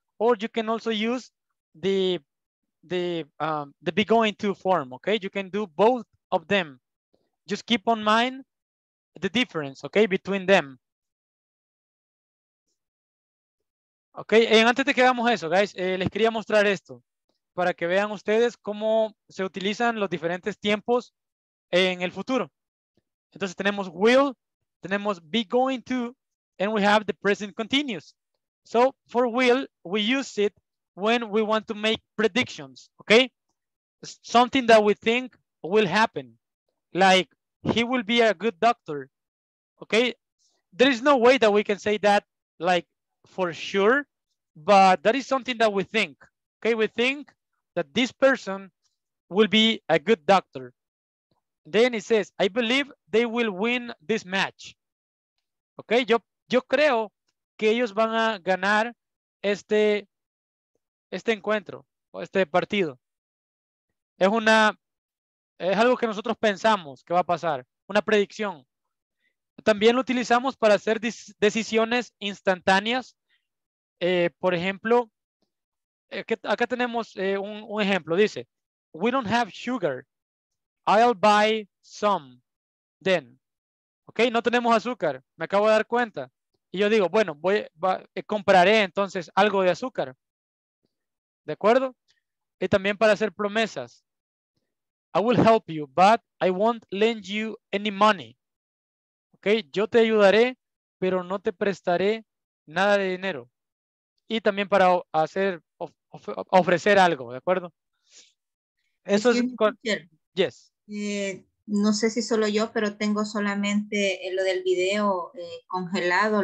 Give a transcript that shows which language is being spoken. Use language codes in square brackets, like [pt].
[en] Or you can also use the be going to form, okay? You can do both of them. Just keep in mind the difference, okay, between them. [es] Okay, antes de que hagamos eso, guys, les quería mostrar esto para que vean ustedes cómo se utilizan los diferentes tiempos en el futuro. Entonces tenemos will, tenemos be going to, [en] and we have the present continuous. So for will, we use it when we want to make predictions, okay? Something that we think will happen, like he will be a good doctor, okay? There is no way that we can say that, like, for sure, but that is something that we think, okay? We think that this person will be a good doctor. Then it says, I believe they will win this match, okay? [es] Yo creo que ellos van a ganar este encuentro o este partido. Es algo que nosotros pensamos que va a pasar, una predicción. También lo utilizamos para hacer decisiones instantáneas. Por ejemplo, acá tenemos un ejemplo. Dice, [en] we don't have sugar. I'll buy some then. [es] Ok, no tenemos azúcar. Me acabo de dar cuenta. Y yo digo, bueno, compraré entonces algo de azúcar. ¿De acuerdo? Y también para hacer promesas. [en] I will help you, but I won't lend you any money. [es] Ok, yo te ayudaré, pero no te prestaré nada de dinero. Y también para hacer, ofrecer algo, ¿de acuerdo? Eso es con... [en] Yes. [es] No sé si solo yo, pero tengo solamente lo del video congelado.